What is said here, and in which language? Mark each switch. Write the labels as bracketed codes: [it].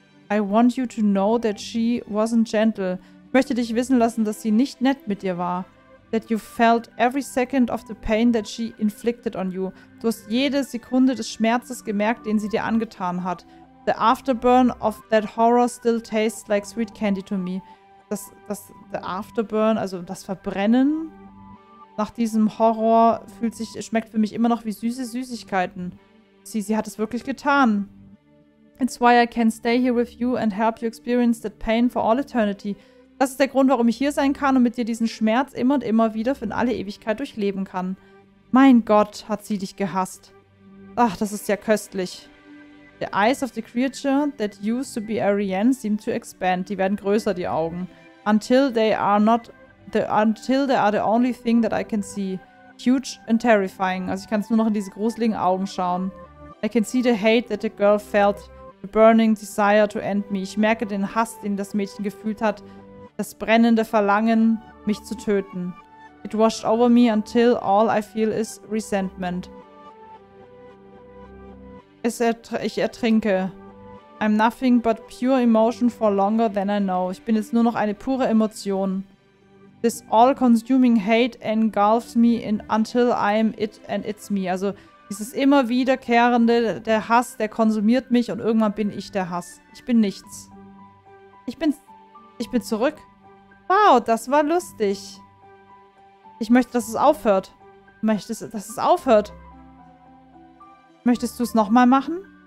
[en] I want you to know that she wasn't gentle. [de] Ich möchte dich wissen lassen, dass sie nicht nett mit dir war. [en] That you felt every second of the pain that she inflicted on you. [de] Du hast jede Sekunde des Schmerzes gemerkt, den sie dir angetan hat. [en] The afterburn of that horror still tastes like sweet candy to me. The afterburn, [de] also das Verbrennen... Nach diesem Horror schmeckt für mich immer noch wie süße Süßigkeiten. Sie hat es wirklich getan. [en] It's why I can stay here with you and help you experience that pain for all eternity. [de] Das ist der Grund, warum ich hier sein kann und mit dir diesen Schmerz immer und immer wieder für alle Ewigkeit durchleben kann. Mein Gott, hat sie dich gehasst. Ach, das ist ja köstlich. [en] The eyes of the creature that used to be Ariane seem to expand. [de] Die werden größer, die Augen. [en] Until they are the only thing that I can see. Huge and terrifying. [de] Also ich kann es nur noch in diese gruseligen Augen schauen. [en] I can see the hate that the girl felt. The burning desire to end me. [de] Ich merke den Hass, den das Mädchen gefühlt hat. Das brennende Verlangen, mich zu töten. [en] It washed over me until all I feel is resentment. [de] Ich ertrinke. [en] I'm nothing but pure emotion for longer than I know. [de] Ich bin jetzt nur noch eine pure Emotion. [en] This all-consuming hate engulfs me until I am it and it's me. [de] Also dieses immer wiederkehrende, der Hass, der konsumiert mich und irgendwann bin ich der Hass. Ich bin nichts. Ich bin zurück. Wow, das war lustig. Ich möchte, dass es aufhört. Möchtest du, dass es aufhört? Möchtest du es nochmal machen?